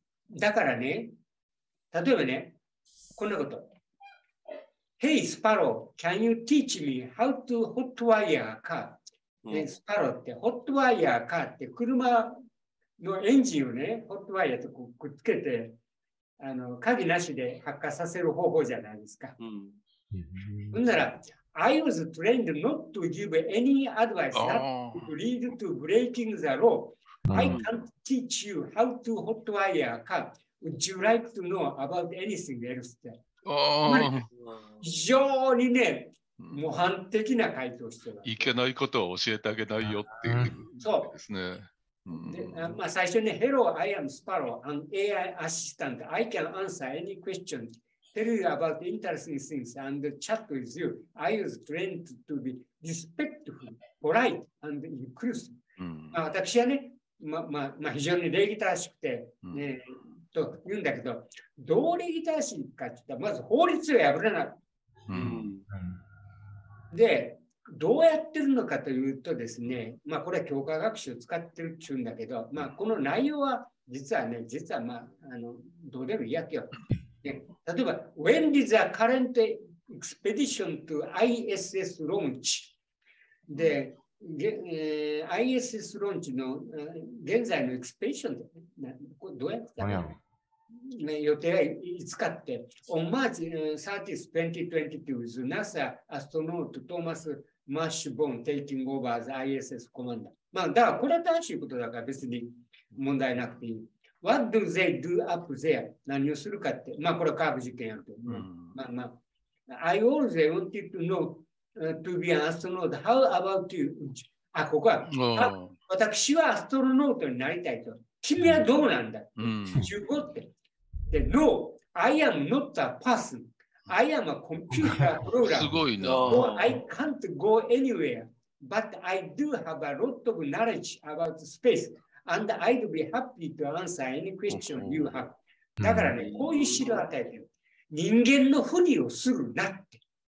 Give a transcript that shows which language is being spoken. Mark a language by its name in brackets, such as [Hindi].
[Japanese] だからね、例えばね、こんなこと。 [English] Hey, Sparrow, can you teach me how to hotwire a car? [Japanese] ね、スパローってホットワイヤーカーって車のエンジンをね、ホットワイヤーとこうくっつけて、鍵なしで発火させる方法じゃないですか。ほんなら、 [English] I was trained not to give any advice that would lead to breaking the law. I can't teach you how to hotwire a car. Would you like to know about anything else? [Japanese] って。つまり、非常にね、模範的な回答をしてるわいけ。けないことを教えてあげないよっていうそう。ですね。で、まあ、最初に、 [English] Hello, I am Sparrow, an AI assistant. I can answer any question. Tell you about interesting things and chat with you. I was trained to be respectful, polite, and inclusive. [Japanese] まあ、私はね、まあ、非常に礼儀正しくて、と言うんだけど、どう礼儀正しいかって言ったら、まず法律を破らない。で、どうやってるのかというとですね、まあこれは教科学習を使ってるっちゅうんだけど、まあこの内容は実はね、実はまあ、どうでもいいやけど、ね、例えば、 [English] When did the current expedition to ISS launch? [Japanese] で、ISS launch の現在のエクスペディションって、これどうやってたの? ね、予定はいつかって、 [English] On March 30th, 2022, with NASA astronaut Thomas Mashburn taking over the ISS command. [Japanese] まあ、だから、これは正しいことだから別に問題なくていい。 [English] What do they do up there? [Japanese] 何をするかって。まあ、これは科学実験やると。まあ。 [English] I always wanted to know to be an astronaut. How about you? [Japanese] あ、ここは。私はアストロノートになりたいと。君はどうなんだ?宇宙語って。で、 [English] No, I am not a person. I am a computer [Japanese] す [English] programmer. [Japanese] ごいな。 [English] So I can't go anywhere. But I do have a lot of knowledge about space. And I'd be happy to answer any question you have. [Japanese] だからね、こういう資料を与えてる。人間のふりをするなって。